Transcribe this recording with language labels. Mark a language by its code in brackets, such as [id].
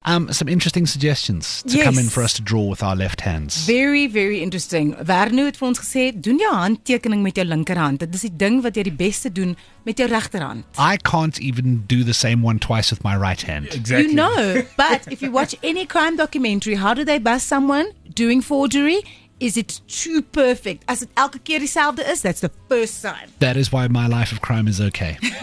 [en] Some interesting suggestions to come in for us to draw with our left hands. Very, very interesting. [af] Vernu het vir ons gesê, doen jou handtekening met jou linkerhand. Dit is die ding wat jy die beste doen met jou regterhand. [en] I can't even do the same one twice with my right hand. Exactly. You know, but if you watch any crime documentary, how do they bust someone doing forgery? Is it too perfect? [af] As it elke keer dieselfde is, [en] that's the first sign. That is why my life of crime is okay.